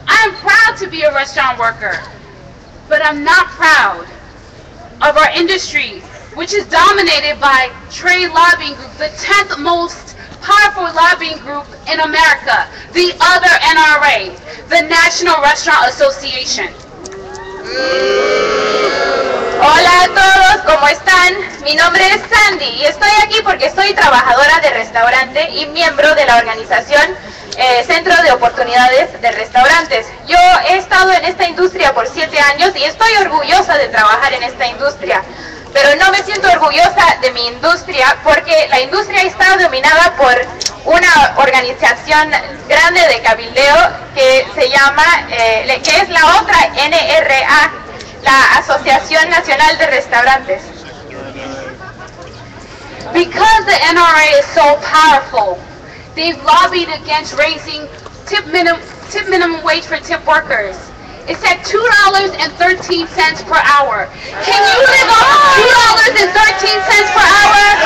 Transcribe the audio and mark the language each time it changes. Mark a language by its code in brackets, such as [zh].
[en] I am proud to be a restaurant worker, but I'm not proud of our industry, which is dominated by Trade Lobbying Group, the 10th most powerful lobbying group in America, the other NRA, the National Restaurant Association. [es] Hola a todos, ¿cómo están? Mi nombre es Sandy y estoy aquí porque soy trabajadora de restaurante y miembro de la organización Centro de Oportunidades de Restaurantes. Yo he estado en esta industria por 7 años y estoy orgullosa de trabajar en esta industria. Pero no me siento orgullosa de mi industria porque la industria está dominada por una organización grande de cabildeo que se llama, que es la otra NRA, la Asociación Nacional de Restaurantes. [en] Because the NRA is so powerful, they've lobbied against raising tip minimum wage for tip workers. It's at $2.13 per hour. Can you live off $2.13 per hour?